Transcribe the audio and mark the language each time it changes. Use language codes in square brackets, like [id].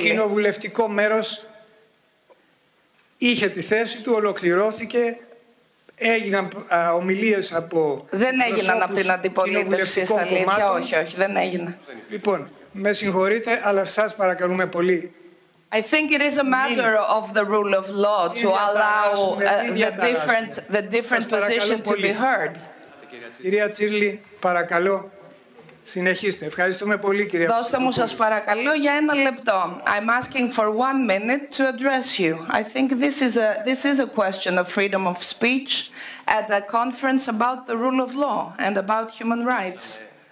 [el] Το κοινοβουλευτικό μέρος είχε τη θέση του, ολοκληρώθηκε. Έγιναν ομιλίες από. Δεν έγιναν από την αντιπολίτευση, στα αλήθεια. Όχι, δεν έγινε. Λοιπόν, με συγχωρείτε, αλλά σας παρακαλούμε πολύ. [en] I think it is a matter of the rule of law to allow the different position to be heard. [el] Κυρία Τσίρλη, παρακαλώ, συνεχίστε. Ευχαριστούμε πολύ, κυρία Τσίρλη. Δώστε μου, σας παρακαλώ, για ένα λεπτό. [en] I'm asking for one minute to address you. I think this is a question of freedom of speech at a conference about the rule of law and about human rights.